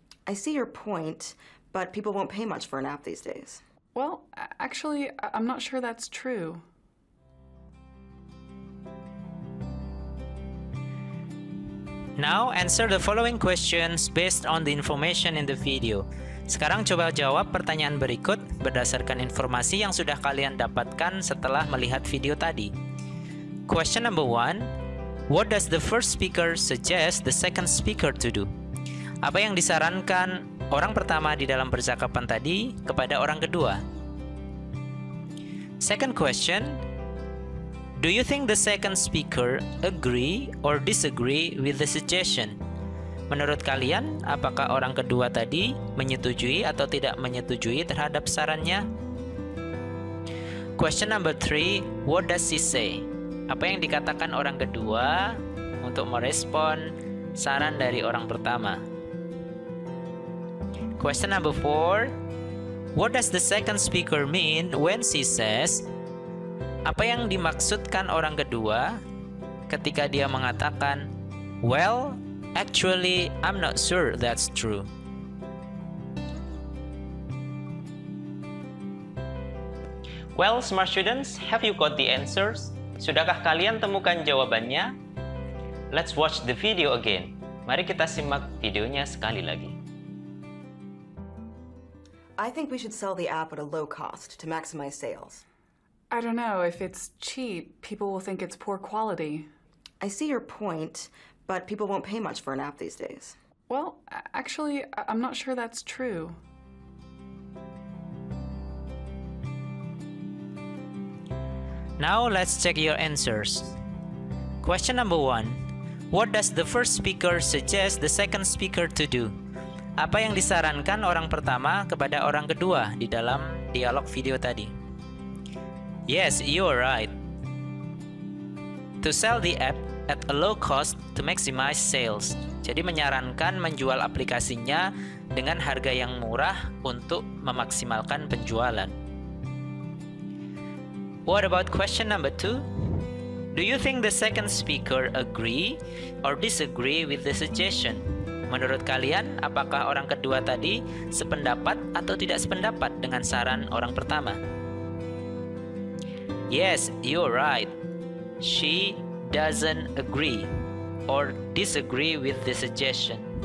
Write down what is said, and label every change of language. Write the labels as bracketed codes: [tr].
[en] I see your point, but people won't pay much for an app these days. Well, actually, I'm not sure that's true. Now answer the following questions based on the information in the video. [id] Sekarang coba jawab pertanyaan berikut berdasarkan informasi yang sudah kalian dapatkan setelah melihat video tadi. [en] Question number one, what does the first speaker suggest the second speaker to do? [id] Apa yang disarankan orang pertama di dalam percakapan tadi kepada orang kedua? [en] Second question, do you think the second speaker agree or disagree with the suggestion? [id] Menurut kalian, apakah orang kedua tadi menyetujui atau tidak menyetujui terhadap sarannya? [en] Question number three, what does she say? [id] Apa yang dikatakan orang kedua untuk merespon saran dari orang pertama. [en] Question number 4. What does the second speaker mean when she says? [id] Apa yang dimaksudkan orang kedua ketika dia mengatakan, [en] "Well, actually, I'm not sure that's true." Well, smart students, have you got the answers? [id] Sudahkah kalian temukan jawabannya? [en] Let's watch the video again. [id] Mari kita simak videonya sekali lagi. [en] I think we should sell the app at a low cost to maximize sales. I don't know. If it's cheap, people will think it's poor quality. I see your point, but people won't pay much for an app these days. Well, actually, I'm not sure that's true. Now let's check your answers. Question number 1. What does the first speaker suggest the second speaker to do? [id] Apa yang disarankan orang pertama kepada orang kedua di dalam dialog video tadi? [en] Yes, you are right. To sell the app at a low cost to maximize sales. [id] Jadi menyarankan menjual aplikasinya dengan harga yang murah untuk memaksimalkan penjualan. [en] What about question number 2? Do you think the second speaker agree or disagree with the suggestion? [id] Menurut kalian, apakah orang kedua tadi sependapat atau tidak sependapat dengan saran orang pertama? [en] Yes, you're right. She doesn't agree or disagree with the suggestion.